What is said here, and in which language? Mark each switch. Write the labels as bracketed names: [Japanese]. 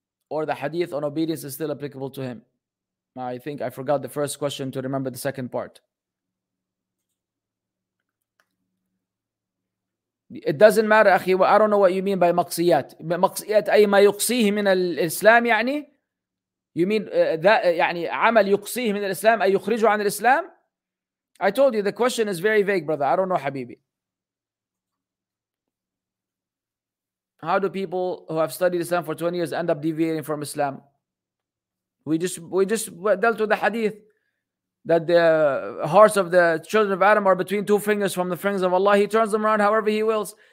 [English] Or the hadith on obedience is still applicable to him. I think I forgot the first question to remember the second part. It doesn't matter, akhi. I don't know what you mean by maqsiyat. [Arabic] Maqsiyat ay ma yuqsihi min al-Islam, يعني? [English] You mean that, [Arabic] يعني, عمل يقصيه من الإسلام, أي يخرجه عن الإسلام? [English] I told you, the question is very vague, brother. I don't know, Habibi. How do people who have studied Islam for 20 years end up deviating from Islam? We just dealt with the hadith. that the hearts of the children of Adam are between two fingers from the fingers of Allah. He turns them around however he wills.